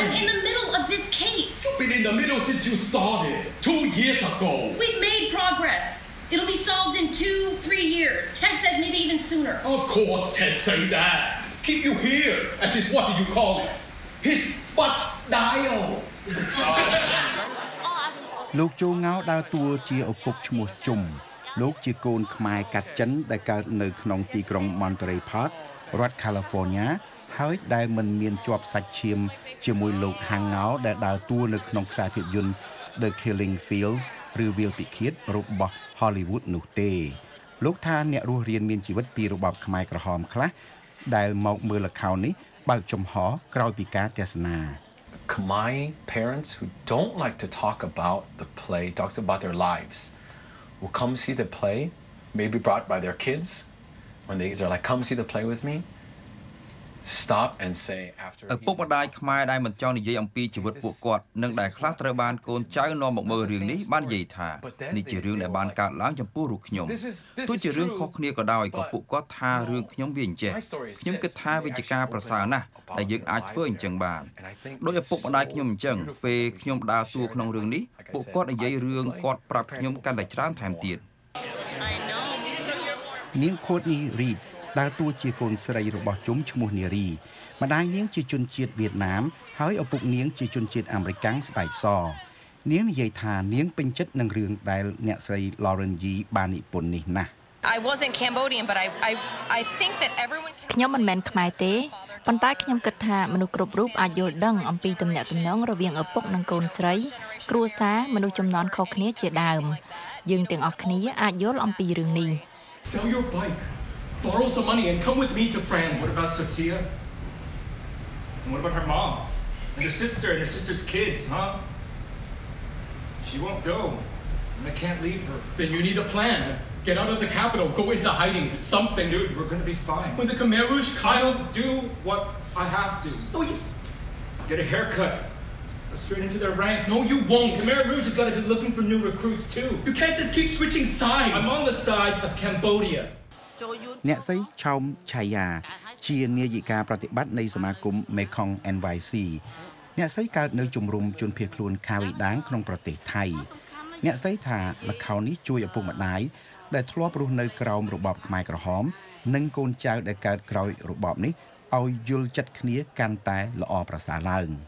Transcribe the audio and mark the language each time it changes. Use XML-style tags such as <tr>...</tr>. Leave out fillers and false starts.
<en>I'm in the middle of this case. You've been in the middle since you started. 2 years ago. We've made progress. It'll be solved in 2-3 years. Ted says maybe even sooner. Of course Ted say that. Keep you here. As his, what do you call it? His butt dial.</en> <km>លោកជូងៅដើរតួជាឪពុកឈ្មោះជុំលោកជាកូនខ្មែរកាត់ចិនដែលកើតនៅក្នុងទីក្រុងម៉ុនតរេផតរដ្ឋកាលីហ្វ័រញ៉ាហើយដែលមិនមានជាប់សាច់ឈាមជាមួយលោកហាងងោដែលដើរតួនៅក្នុងខ្សែភាពយន្ត The Killing Fields ឬវាលពិឃាតរបស់ Hollywood នោះទេលោកថាអ្នករស់រានមានជីវិតពីរបបខ្មែរក្រហមខ្លះដែលមកមើលល្ខោននេះបើកចំហក្រោយពីការទស្សនា</km> <en>Khmer parents who don't like to talk about the play, talks about their lives, will come see the play, maybe brought by their kids, when they are like, come see the play with me. stop and say after</en> <km>ឪពុកម្ដាយខ្មែរដែលមិនចង់និយាយអំពីជីវិតពួកគាត់និងដែលខ្លះត្រូវបានកូនចៅនាំមកមើលរឿងនេះបាននិយាយថានេះជារឿងដែលបានកើតឡើងចំពោះរូបខ្ញុំទោះជារឿងខុសគ្នាក៏ដោយក៏ពួកគាត់ថារឿងខ្ញុំវាអញ្ចឹងខ្ញុំគិតថាវាជាការប្រសើរណាស់ដែលយើងអាចធ្វើអញ្ចឹងបានដោយឪពុកម្ដាយខ្ញុំអញ្ចឹងពេលខ្ញុំដើរតួក្នុងរឿងនេះពួកគាត់និយាយរឿងគាត់ប្រាប់ខ្ញុំកាន់តែច្រើនថែមទៀត នាងខូតនីរីដែលតួជាកូនស្រីរបស់ជុំឈ្មោះនារីម្ដាយនាងជាជនជាតិវៀតណាមហើយឪពុកនាងជាជនជាតិអាមេរិកាំងស្បែកសនាងនិយាយថានាងពេញចិត្តនឹងរឿងដែលអ្នកស្រី Lauren Yee បាននិពន្ធនេះណាស់</km> <en>I wasn't Cambodian but I think that everyone can</en> <km>ខ្ញុំមិនមែនខ្មែរទេប៉ុន្តែខ្ញុំគិតថាមនុស្សគ្រប់រូបអាចយល់ដឹងអំពីទំនាក់ទំនងរវាងឪពុកនិងកូនស្រីគ្រួសារមនុស្សចំនួនខុសគ្នាជាដើមយើងទាំងអស់គ្នាអាចយល់អំពីរឿងនេះ</km> <en>Sell your bike. Borrow some money and come with me to France. What about Sotia? And what about her mom? And her sister's kids, huh? She won't go. And I can't leave her. Then you need a plan. Get out of the capital. Go into hiding. Something. Dude, we're gonna be fine. When the Khmer Rouge comes... I'll do what I have to. No, you... Get a haircut. Go straight into their ranks. No, you won't. The Khmer Rouge has gotta be looking for new recruits, too. You can't just keep switching sides. I'm on the side of Cambodia.</en> <km>អ្នកស្រីឆោមឆៃយ៉ាជានាយិកាប្រតិបត្តិនៃសមាគម Mekong NYC អ្នកស្រីកើតនៅជំរំជនភៀសខ្លួនខាវីដាងក្នុងប្រទេសថៃអ្នកស្រីថាលខោននេះជួយឪពុកម្ដាយដែលធ្លាប់រស់នៅក្រោមរបបខ្មែរក្រហមនិងកូនចៅដែលកើតក្រោយរបបនេះឲ្យយល់ចិត្តគ្នាកាន់តែល្អប្រសើរឡើង</km>